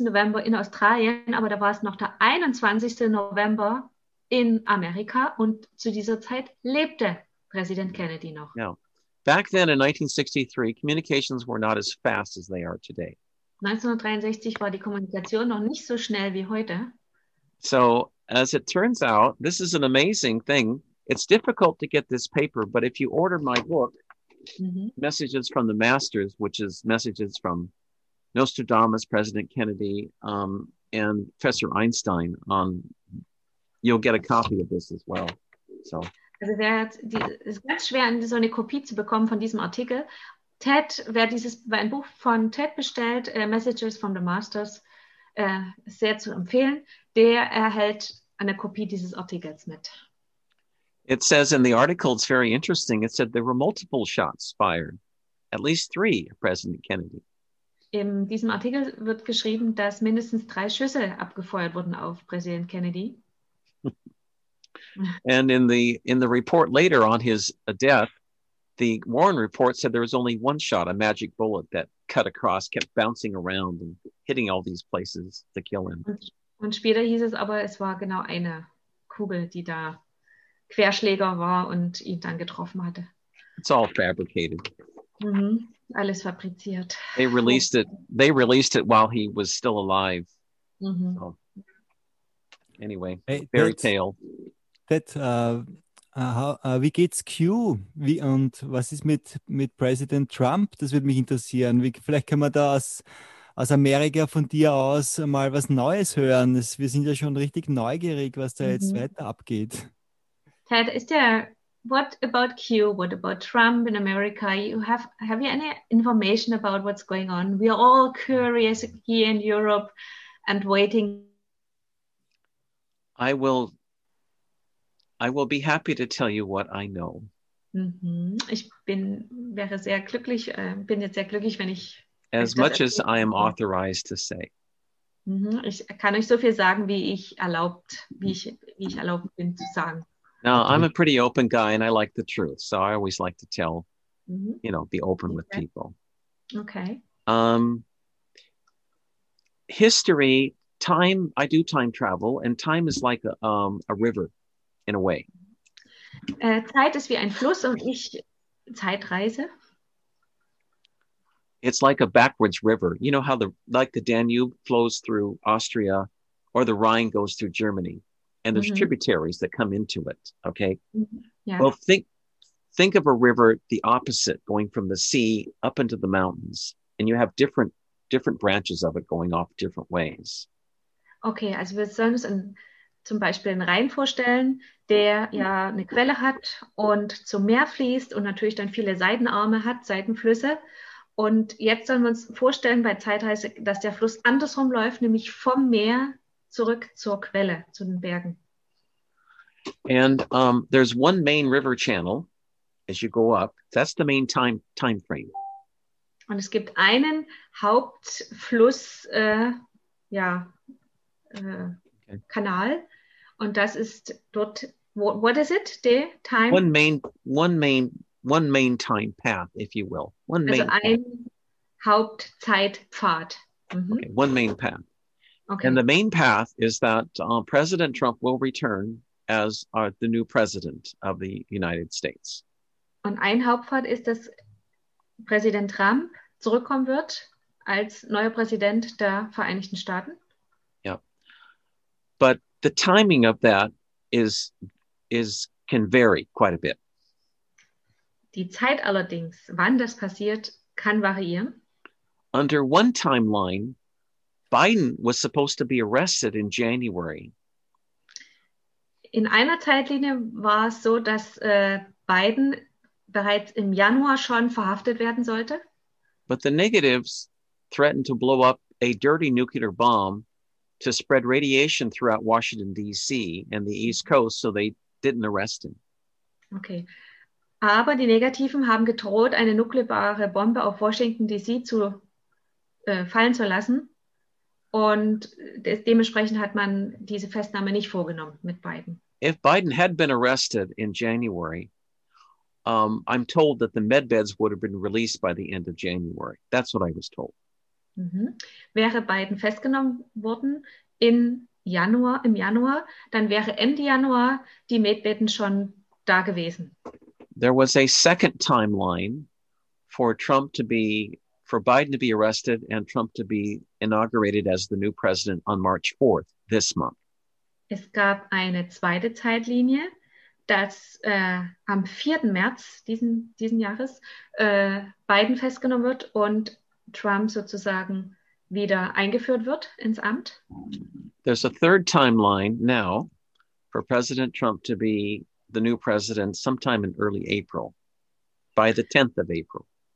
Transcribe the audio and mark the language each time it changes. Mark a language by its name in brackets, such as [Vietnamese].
[German] November in Australien, aber da war es noch der 21. November in Amerika und zu dieser Zeit lebte Präsident Kennedy noch. [English] Now, back then in 1963, communications were not as fast as they are today. [German] 1963 war die Kommunikation noch nicht so schnell wie heute. [English] So, as it turns out, this is an amazing thing. It's difficult to get this paper, but if you order my book, Messages from the Masters, which is messages from Nostradamus, President Kennedy, and Professor Einstein, you'll get a copy of this as well. So. [German] Also es ist ganz schwer, so eine Kopie zu bekommen von diesem Artikel. Wer ein Buch von Ted bestellt, Messages from the Masters, sehr zu empfehlen, der erhält eine Kopie dieses Artikels mit. [English] It says in the article, it's very interesting. It said there were multiple shots fired, at least three, President Kennedy. [German] In diesem Artikel wird geschrieben, dass mindestens drei Schüsse abgefeuert wurden auf Präsident Kennedy. [English] And in the report later on his death, the Warren report said there was only one shot, a magic bullet that cut across, kept bouncing around and hitting all these places to kill him. [German] Und später hieß es aber, es war genau eine Kugel, die da Querschläger war und ihn dann getroffen hatte. [English] It's all fabricated. [German] Alles fabriziert. [English] They released it. They released it while he was still alive. So, anyway, Hey, fairy tale. [German] wie geht's Q? Wie und was ist mit Präsident Trump? Das würde mich interessieren. Vielleicht können wir da aus Amerika von dir aus mal was Neues hören. Wir sind ja schon richtig neugierig, was da jetzt weiter abgeht. [English] Ted, what about Q? What about Trump in America? Have you any information about what's going on? We are all curious here in Europe and waiting. I will be happy to tell you what I know. [German] Wäre sehr glücklich, bin jetzt sehr glücklich, wenn [English] As [German] ich das [English] much as [German] erzähle. [English] I am authorized to say. [German] Ich kann euch so viel sagen, wie ich erlaubt bin zu sagen. [English] I'm a pretty open guy and I like the truth, so I always like to tell, be open with Okay. people. Okay. History, time, I do time travel, and time is like a river. In a way. [German] Zeit ist wie ein Fluss und ich Zeitreise. [English] It's like a backwards river. You know how the Danube flows through Austria or the Rhine goes through Germany, and there's tributaries that come into it, okay? Well, think of a river the opposite, going from the sea up into the mountains, and you have different branches of it going off different ways. [German] Okay, also wir sollen uns zum Beispiel einen Rhein vorstellen, der ja eine Quelle hat und zum Meer fließt und natürlich dann viele Seitenarme hat, Seitenflüsse. Und jetzt sollen wir uns vorstellen bei Zeitreise, dass der Fluss andersrum läuft, nämlich vom Meer zurück zur Quelle, zu den Bergen. [English] And there's one main river channel as you go up. That's the main time frame. [German] Und es gibt einen Hauptfluss, Kanal, und das ist dort, [English] what is it, the time? One main time path, if you will. One [German] Also [English] main path. [German] ein Hauptzeitpfad. [English] Okay, one main path. And Okay. the main path is that President Trump will return as the new president of the United States. [German] Und ein Hauptpfad ist, dass Präsident Trump zurückkommen wird als neuer Präsident der Vereinigten Staaten. [English] But the timing of that is can vary quite a bit. [German] Die Zeit allerdings, wann das passiert, kann variieren. [English] Under one timeline, Biden was supposed to be arrested in January. [German] In einer Zeitlinie war es so, dass Biden bereits im Januar schon verhaftet werden sollte. [English] But the negatives threatened to blow up a dirty nuclear bomb to spread radiation throughout Washington, D.C. and the East Coast, so they didn't arrest him. Okay. [German] Aber die Negativen haben gedroht, eine nukleare Bombe auf Washington DC fallen zu lassen. Und dementsprechend hat man diese Festnahme nicht vorgenommen mit beiden. [English] If Biden had been arrested in January, I'm told that the med beds would have been released by the end of January. That's what I was told. Mm-hmm. [German] Wäre Biden festgenommen worden in Januar, im Januar, dann wäre Ende Januar die Medbetten schon da gewesen. [English] There was a second timeline for Trump to be, for Biden to be arrested and Trump to be inaugurated as the new president on March 4th, this month. [German] Es gab eine zweite Zeitlinie, dass am 4. März diesen Jahres Biden festgenommen wird und Trump sozusagen wieder eingeführt wird ins Amt. [English] There's a third timeline now for President Trump to be the new president sometime in early April, by the 10th of April.